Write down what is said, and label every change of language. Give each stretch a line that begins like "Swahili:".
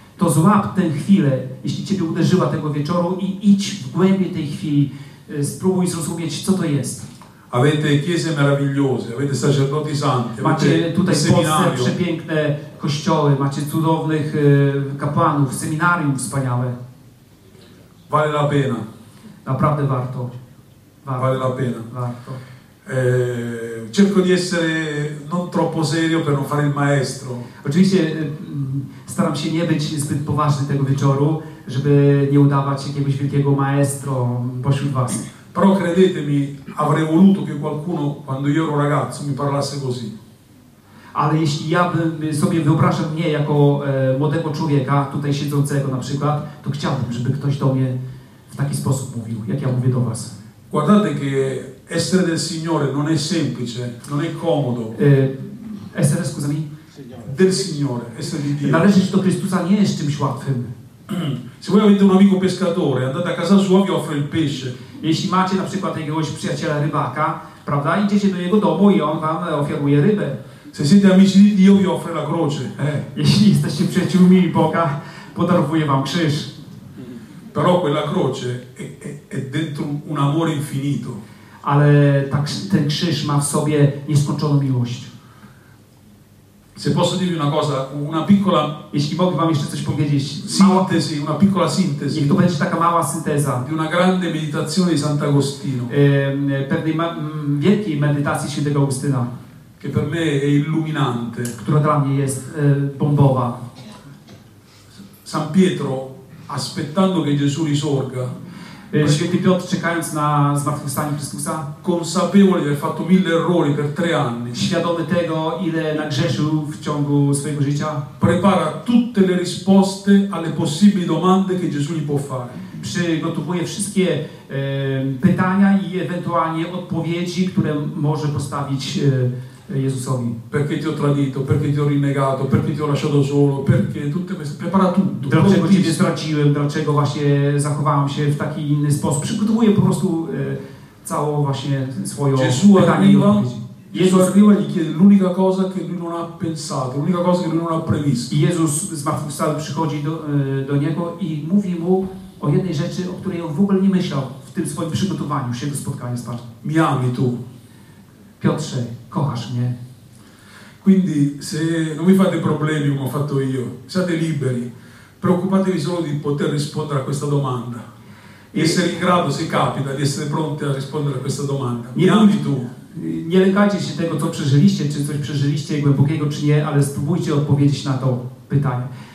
Polish: To złap tę chwilę, jeśli ciebie uderzyła tego wieczoru i idź w głębi tej chwili, spróbuj zrozumieć, co to jest.
Italian: Avete chiese meravigliose, avete sacerdoti santi,
Polish: macie tutaj w Polsce przepiękne kościoły, macie cudownych kapłanów, seminarium wspaniałe.
Italian: Vale la pena.
Polish: Naprawdę warto. Warto.
Italian: Vale la pena.
Polish: Warto.
Italian: Cerco di essere non troppo serio per non fare il maestro.
Polish: Oczywiście staram się nie być zbyt poważny tego wieczoru, żeby nie udawać jakiegoś wielkiego maestro pośród was.
Italian: Però credetemi, avrei voluto che qualcuno, quando io ero ragazzo, mi parlasse così.
Polish: Ale jeśli ja bym sobie wyobrażał mnie jako młodego człowieka, tutaj siedzącego na przykład, to chciałbym, żeby ktoś do mnie w taki sposób mówił, jak ja mówię do was.
Italian: Guardate che essere del Signore non è semplice, non è comodo. Essere, scusami? Signore. Del Signore, essere di Dio.
Polish: Należeć do Chrystusa nie jest czymś łatwym.
Italian: Se voi avete un amico pescatore, andate a casa sua, vi offre il pesce.
Polish: Jeśli macie na przykład jakiegoś przyjaciela rybaka, prawda, idziecie do jego domu i on wam ofiaruje rybę.
Italian: Se siete amici di Dio, vi offre la croce.
Polish: Jeśli jesteście przyjaciółmi Boga, podarowuje wam krzyż.
Italian: Però quella croce è dentro un amore infinito.
Polish: Ale ten krzyż ma w sobie nieskończoną miłość.
Italian: Se posso dirvi una cosa, una piccola...
Polish: Jeśli mogę wam jeszcze coś powiedzieć.
Italian: Sintesi, una piccola sintesi.
Polish: Niech to będzie taka mała synteza.
Italian: Di una grande meditazione di Sant'Agostino.
Polish: Pewnej wielkiej medytacji świętego Augustyna.
Italian: Che per me è illuminante.
Polish: Która dla mnie jest bombowa.
Italian: San Pietro, aspettando che Gesù risorga.
Polish: Święty Piotr czekając na zmartwychwstanie Chrystusa.
Italian: Consapevole di aver fatto mille errori per tre anni.
Polish: Świadomy tego, ile nagrzeszył w ciągu swojego życia.
Italian: Prepara tutte le risposte alle possibili domande che Gesù gli può fare.
Polish: Przygotowuje wszystkie pytania i ewentualnie odpowiedzi, które może postawić Jezusowi.
Italian: Perché ti ho tradito, perché ti ho rinnegato, perché ti ho lasciato solo, perché tutte queste... Prepara tutto.
Polish: Dlaczego Ciebie straciłem, dlaczego właśnie zachowałem się w taki inny sposób. Przygotowuje po prostu całą właśnie swoją
Italian: Gesù
Polish: pytanie
Italian: arriva,
Polish: i odpowiedzi.
Italian: Jezus arriva, gli chiede l'unica cosa che lui non ha pensato, l'unica cosa che lui non ha previsto.
Polish: I Jezus zmartwychwstały przychodzi do Niego i mówi Mu o jednej rzeczy, o której on w ogóle nie myślał w tym swoim przygotowaniu się do spotkania z Panem.
Italian: Mi ami tu.
Polish: Piotrze, kochasz mnie.
Italian: Quindi, se non mi fate problemi come ho fatto io, siate liberi, preoccupatevi solo di poter rispondere a questa domanda. E essere in grado, se capita, di essere pronti a rispondere a questa domanda. Mi ami tu.
Polish: Nie lękajcie się tego, co przeżyliście, czy coś przeżyliście głębokiego, czy nie, ale spróbujcie odpowiedzieć na to pytanie.